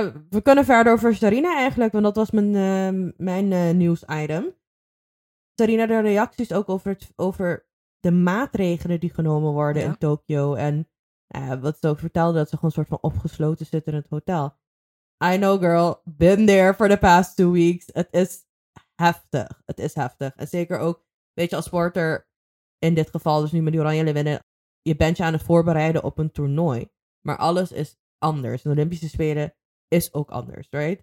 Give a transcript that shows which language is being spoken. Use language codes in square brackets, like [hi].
[nl] We kunnen verder over Sarina eigenlijk, want dat was mijn nieuwsitem. Sarina, de reacties ook over de maatregelen die genomen worden in Tokio en wat ze ook vertelde, dat ze gewoon soort van opgesloten zitten in het hotel. [en] I know, girl, been there for the past 2 weeks. [nl] Het is heftig. Het is heftig. En zeker ook, weet je, als sporter, in dit geval dus nu met die Oranje Leeuwinnen, je bent je aan het voorbereiden op een toernooi. Maar alles is anders. De Olympische Spelen is ook anders, right?